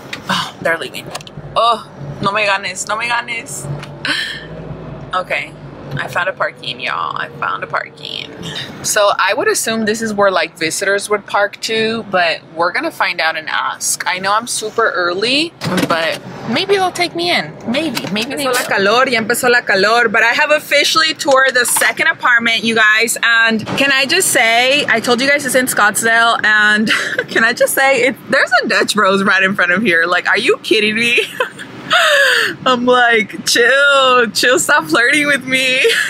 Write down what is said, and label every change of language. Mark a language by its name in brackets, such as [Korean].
[English] Oh, they're leaving. Oh, [Spanish] no me ganes, no me ganes. [English] Okay, I found a parking, y'all. I found a parking. So I would assume this is where like visitors would park too, but we're gonna find out and ask. I know I'm super early, but maybe they'll take me in. Maybe. [Spanish] Empezó la calor, ya empezó la calor. [English] But I have officially toured the second apartment, you guys. And can I just say, I told you guys it's in Scottsdale. And can I just say, there's a Dutch Bros right in front of here. Like, are you kidding me? I'm like, chill, stop flirting with me.